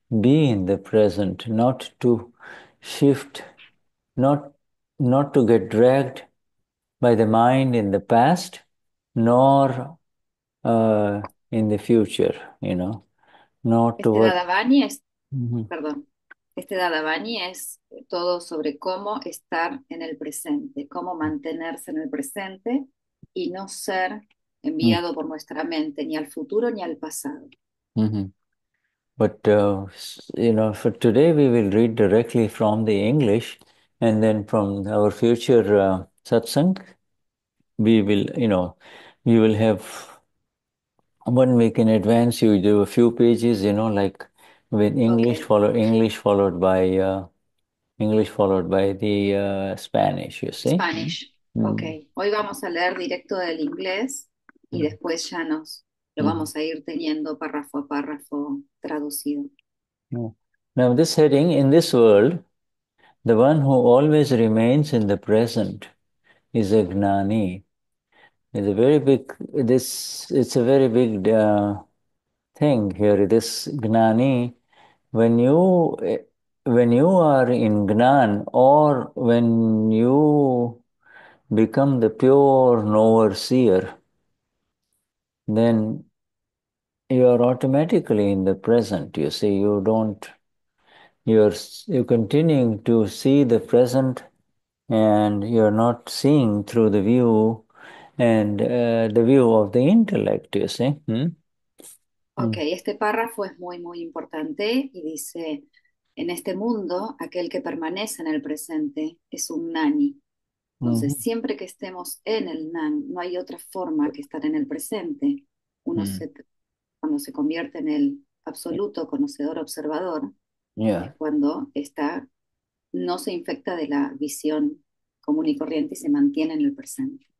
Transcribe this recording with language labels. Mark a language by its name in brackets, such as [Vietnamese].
[English] be in the present, not to shift, not to get dragged by the mind in the past, nor in the future, not toward. [Spanish] Perdón, este Dadavani es todo sobre cómo estar en el presente, cómo mantenerse en el presente y no ser enviado por nuestra mente ni al futuro ni al pasado. [English] But for today we will read directly from the English, and then from our future satsang, we will we will have one week in advance. You do a few pages, like with English Okay. follow English followed by English followed by the Spanish, you see. Spanish. Okay. [Spanish] Hoy vamos a leer directo del inglés y después ya nos lo vamos a ir teniendo párrafo a párrafo traducido. [English] Now, this heading, in this world, the one who always remains in the present is a Gnani. It's a very big this it's a very big thing here. This Gnani, when you are in Gnan, or when you become the pure knower seer, then you are automatically in the present. You see, you don't, you're continuing to see the present, and you're not seeing through the view and the view of the intellect, you see. [Spanish] Ok, este párrafo es muy, muy importante y dice, en este mundo, aquel que permanece en el presente es un nani. Entonces, siempre que estemos en el nan, no hay otra forma que estar en el presente. Uno cuando se convierte en el absoluto conocedor observador, es cuando está, no se infecta de la visión común y corriente y se mantiene en el presente.